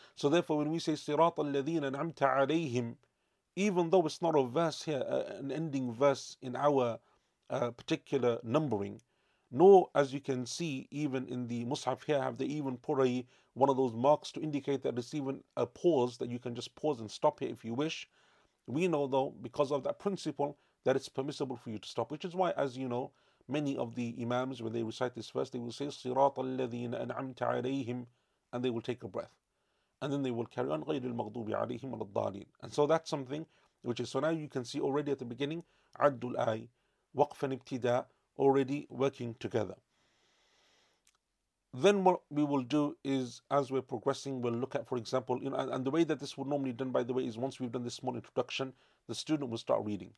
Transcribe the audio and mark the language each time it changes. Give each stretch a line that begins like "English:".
English: So therefore, when we say sirat al-ladhina an'amta alayhim, even though it's not a verse here, an ending verse in our particular numbering, nor, as you can see, even in the mushaf here, have they even put one of those marks to indicate that it's even a pause, that you can just pause and stop here if you wish. We know though, because of that principle, that it's permissible for you to stop, which is why, as you know, many of the imams, when they recite this verse, they will say,
Arabic: صراط الذين أنعمت عليهم,
English: and they will take a breath. And then they will carry on,
Arabic: غير المغضوب عليهم ولا الضالين.
English: And so that's something which is, so now you can see already at the beginning,
Arabic: عد الآي, وقف ابتداء,
English: already working together. Then what we will do is, as we're progressing, we'll look at, for example, you know, and the way that this would normally be done, by the way, is once we've done this small introduction, the student will start reading.